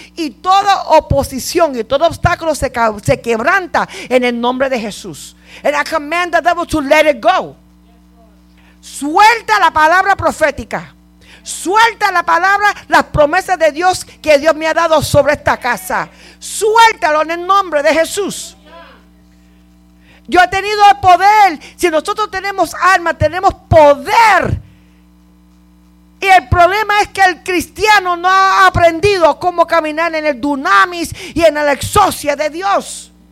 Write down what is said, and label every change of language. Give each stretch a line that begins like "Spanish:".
Spanish: Y toda oposición y todo obstáculo se quebranta en el nombre de Jesús.
English: And I command the devil to let it go.
Spanish: Suelta la palabra profética. Suelta la palabra, las promesas de Dios que Dios me ha dado sobre esta casa. Suéltalo en el nombre de Jesús. Yo he tenido el poder. Si nosotros tenemos alma, tenemos poder. Y el problema es que el cristiano no ha aprendido cómo caminar en el dunamis y en la exocia de Dios.